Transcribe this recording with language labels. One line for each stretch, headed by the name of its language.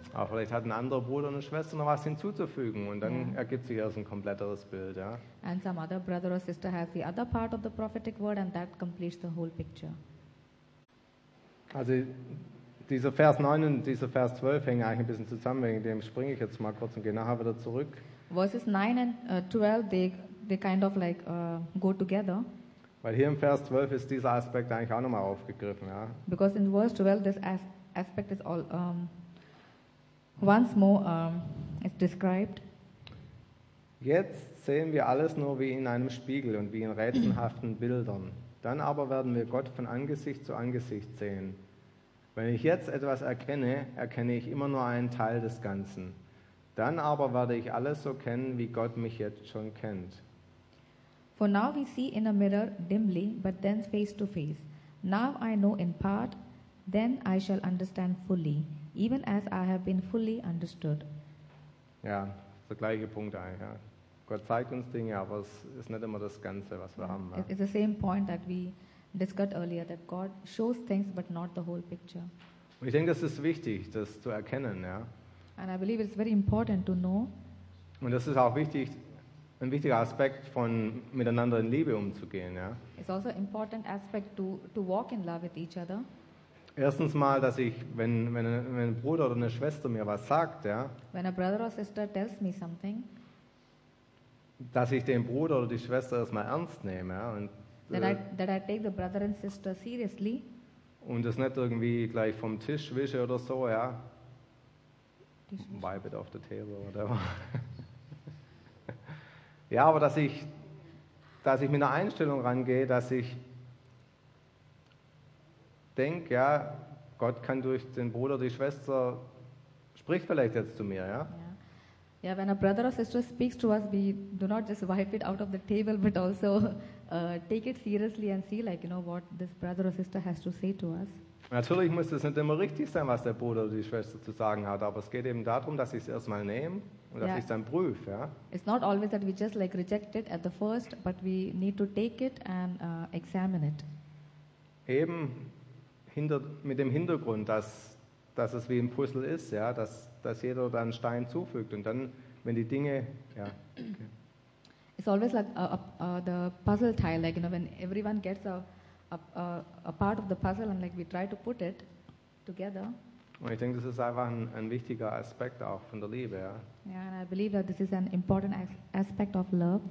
German: Aber vielleicht hat ein anderer Bruder oder Schwester noch was hinzuzufügen und dann ergibt sich erst ein kompletteres Bild, ja.
English: And some other brother or sister has the other part of the prophetic word and that completes the whole picture.
German: Also dieser Vers 9 und dieser Vers 12 hängen eigentlich ein bisschen zusammen, wegen dem springe ich jetzt mal kurz und gehe nachher wieder zurück.
English: Verses 9 and 12, they kind of like go together.
German: Weil hier im Vers 12 ist dieser Aspekt eigentlich auch nochmal aufgegriffen, ja.
English: Because in verse 12 this aspect is all once more is described.
German: Jetzt sehen wir alles nur wie in einem Spiegel und wie in rätselhaften Bildern. Dann aber werden wir Gott von Angesicht zu Angesicht sehen. Wenn ich jetzt etwas erkenne, erkenne ich immer nur einen Teil des Ganzen. Dann aber werde ich alles so kennen, wie Gott mich jetzt schon kennt.
English: For now we see in a mirror dimly, but then face to face. Now I know in part, then I shall understand fully, even as I have been fully understood.
German: Ja, das ist der gleiche Punkt eigentlich, ja. Gott zeigt uns Dinge, aber es ist nicht immer das Ganze, was wir haben. Ja.
English: It's the same point that we discussed earlier, that God shows things, but not the whole picture.
German: Und ich denke, das ist wichtig, das zu erkennen. Ja.
English: And I believe it's very important to know.
German: Und das ist auch wichtig, ein wichtiger Aspekt von miteinander in Liebe umzugehen. Ja.
English: It's also an important aspect to walk in love with each other.
German: Erstens mal, dass ich, wenn ein Bruder oder eine Schwester mir was sagt, ja.
English: When a brother or sister tells me something,
German: dass ich den Bruder oder die Schwester erstmal ernst nehme, ja, und
English: that I take the brother and sister seriously.
German: Und das nicht irgendwie gleich vom Tisch wische oder so, ja.
English: Wipe it off the table
German: oder whatever. Ja, aber dass ich mit einer Einstellung rangehe, dass ich denke, ja, Gott kann durch den Bruder, die Schwester spricht vielleicht jetzt zu mir, ja.
English: Yeah, when a brother or sister speaks to us, we do not just wipe it out of the table, but also take it seriously and see, like, you know, what this brother or sister has to say to us.
German: Natürlich muss es nicht immer richtig sein, was der Bruder oder die Schwester zu sagen hat, aber es geht eben darum, dass ich es erstmal nehme und dass ich es dann prüfe. Ja?
English: It's not always that we just like reject it at the first, but we need to take it and examine it.
German: Eben mit dem Hintergrund, dass es wie ein Puzzle ist, ja, dass jeder da einen Stein zufügt und dann, wenn die Dinge, ja.
English: Okay. It's always like the puzzle tile, like, you know, when everyone gets a part of the puzzle and like we try to put it together.
German: Und ich denke, das ist einfach ein wichtiger Aspekt auch von der Liebe, ja.
English: Yeah, and I believe that this is an important aspect of love.